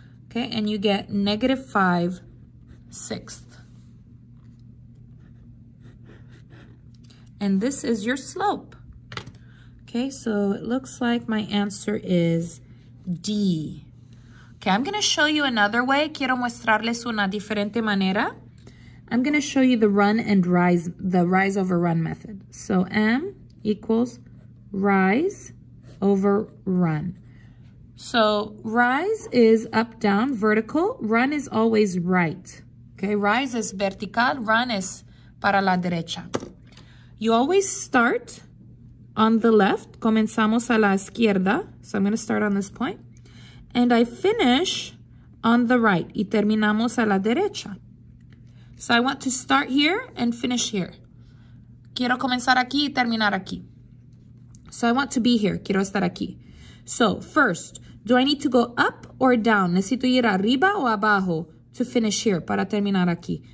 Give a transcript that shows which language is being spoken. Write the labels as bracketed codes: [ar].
[en] Okay, and you get negative 5/6. And this is your slope. Okay, so it looks like my answer is D. Okay, I'm going to show you another way. [es] Quiero mostrarles una diferente manera. [en] I'm going to show you the run and rise, the rise over run method. So M equals rise over run. So rise is up, down, vertical. Run is always right. Okay, rise is vertical. Run is [es] para la derecha. [en] You always start on the left. [es] Comenzamos a la izquierda. [en] So I'm going to start on this point. And I finish on the right. [es] Y terminamos a la derecha. [en] So I want to start here and finish here. [es] Quiero comenzar aquí y terminar aquí. [en] So I want to be here. [es] Quiero estar aquí. [en] So first, do I need to go up or down? [es] Necesito ir arriba o abajo [en] to finish here, [es] para terminar aquí.